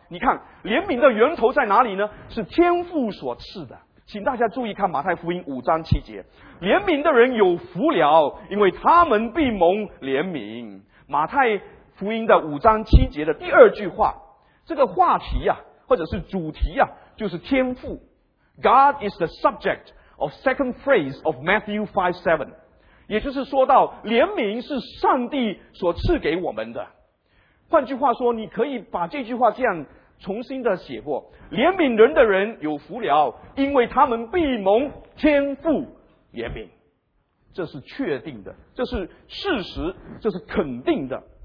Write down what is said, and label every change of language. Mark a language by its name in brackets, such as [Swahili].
[Chinese] 你看怜悯的源头在哪里呢？是天父所赐的。请大家注意看马太福音五章七节，怜悯的人有福了，因为他们必蒙怜悯。马太福音的五章七节的第二句话，这个话题啊，或者是主题啊，就是天父。 [English] God is the subject of second phrase of Matthew 5:7. [Chinese] 也就是说到怜悯是上帝所赐给我们的。换句话说，你可以把这句话这样重新的写过，怜悯人的人有福了，因为他们必蒙天父怜悯。这是确定的，这是事实，这是肯定的。